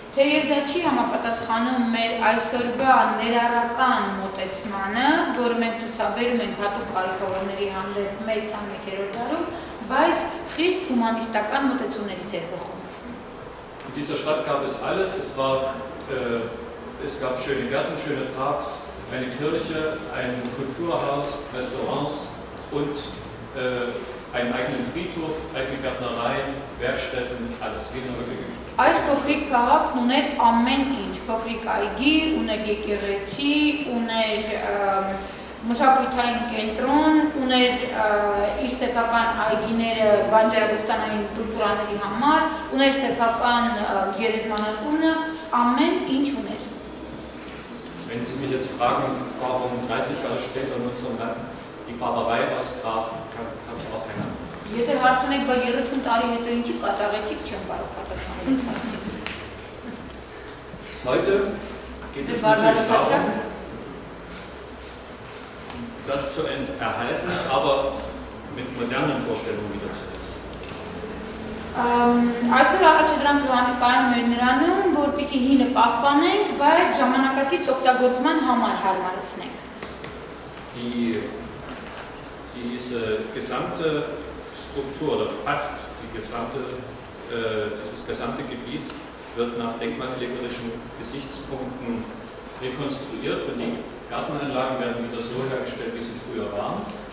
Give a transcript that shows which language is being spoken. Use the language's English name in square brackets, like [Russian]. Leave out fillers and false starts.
[Armenian] Թեև դա չի համապատասխանում մեր այսօրվա ներառական մոտեցմանը, որը մենք ցուցաբերում ենք հատուկ կարիքավորների հանդեպ մեր ցանկերով դարում, բայց խիստ հումանիստական մոտեցումներից է փոխում։ [German] In dieser Stadt gab es alles, es war es gab schöne Gärten, schöne Parks, eine Kirche, ein Kulturhaus, Restaurants und einen eigenen Friedhof, eigene Gärtnereien, Werkstätten, alles wie nur möglich. [Armenian] Այս փոքրիկ քաղաքն ուներ ամեն ինչ, փոքրիկ այգի, ուներ եկեղեցի, ուներ մշակութային կենտրոն, ուներ իր սեփական այգիները բանջարաբուստանային կուլտուրաների համար, ուներ սեփական գերեզմանատունը, ամեն ինչ ուներ։ [German] Wenn Sie mich jetzt fragen, warum 30 Jahre später in unserem Land die Barbarei ausbrach, kann ich auch keine Antwort. [Armenian] Եթե հարցնեք, բա 30 տարի հետո ինչի կատաղեցիք, չեմ կարող պատասխանել։ [German] Heute geht es natürlich darum, das zu erhalten, aber mit modernen Vorstellungen wieder zu setzen. [Armenian] Այսօր առաջի դրանք կանգնում են նրանում, որպեսզի հինը պահպանենք, բայց ժամանակակից օգտագործման համար հարմարեցնենք։ [German] Diese gesamte Struktur oder fast die gesamte, dieses gesamte Gebiet wird nach denkmalpflegerischen Gesichtspunkten rekonstruiert und die Gartenanlagen werden wieder so hergestellt, wie sie früher waren.